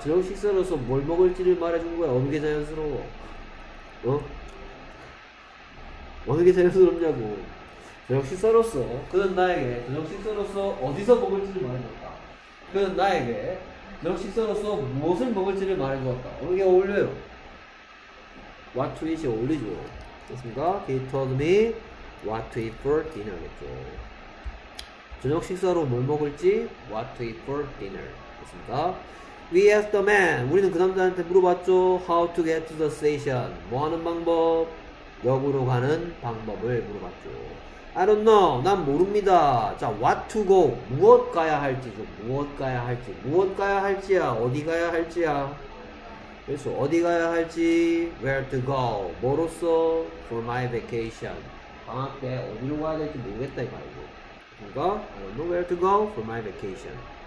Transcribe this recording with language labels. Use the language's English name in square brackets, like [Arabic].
[Korean] 저녁 식사로서 뭘 먹을지를 말해준 거야? 어느 게 자연스러워? 어? 어느 게 자연스럽냐고. 저녁 식사로서 그는 나에게 저녁 식사로서 어디서 먹을지를 말해줬다. 그는 나에게 저녁 식사로서 무엇을 먹을지를 말해주었다. 어느 게 어울려요? [English] What to eat [Korean] 이 어울리죠. 됐습니까? [English] He told me what to eat for dinner겠죠. [Korean] 저녁 식사로 뭘 먹을지 [English] what to eat for dinner. [Korean] 됐습니까? [English] We asked the man. [Korean] 우리는 그 남자한테 물어봤죠. [English] How to get to the station. [Korean] 뭐 하는 방법? 역으로 가는 방법을 물어봤죠. [English] I don't know. [Korean] 난 모릅니다. 자, [English] what to go. [Korean] 무엇 가야 할지죠. 무엇 가야 할지. 무엇 가야 할지야. 어디 가야 할지야. 그래서 어디 가야 할지. [English] Where to go. [Korean] 뭐로써? [English] For my vacation. [Korean] 방학 때 어디로 가야 될지 모르겠다 이 말이고. [English] 그러니까 I don't know where to go for my vacation.